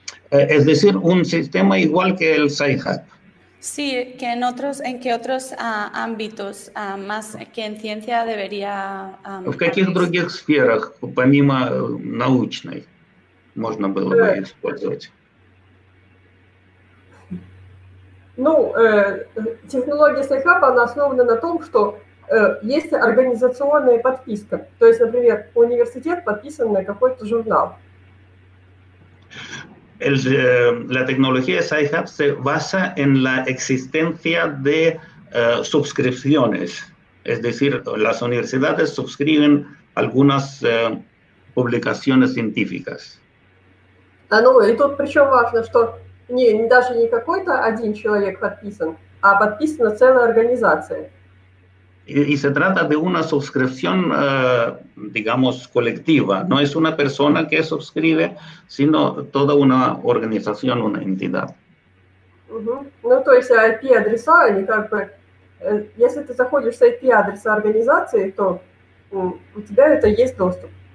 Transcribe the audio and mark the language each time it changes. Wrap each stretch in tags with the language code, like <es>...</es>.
<es>Es decir, un sistema igual que el SciHub. Sí, que en qué otros ámbitos más que en ciencia debería</es> <ru>¿В каких</ru> <es>abrirse.</es> <ru>других сферах, помимо научной, можно было бы использовать? Ну, технология SciHub, она основана на том, что есть организационная подписка. То есть, например, университет подписан на какой-то журнал.</ru> <es>La tecnología SciHub se basa en la existencia de suscripciones, es decir, las universidades suscriben algunas publicaciones científicas.</es> <ru>Ah, ну, и тут причем важно, что даже не какой-то один человек подписан, а подписана целая организация.</ru> <es>Y se trata de una suscripción, digamos, colectiva. No es una persona que suscribe, sino toda una organización, una entidad.</es> <ru>Ну, то есть IP-адреса, они как бы, если ты заходишь с IP-адреса организации, то у тебя это есть доступ.</ru>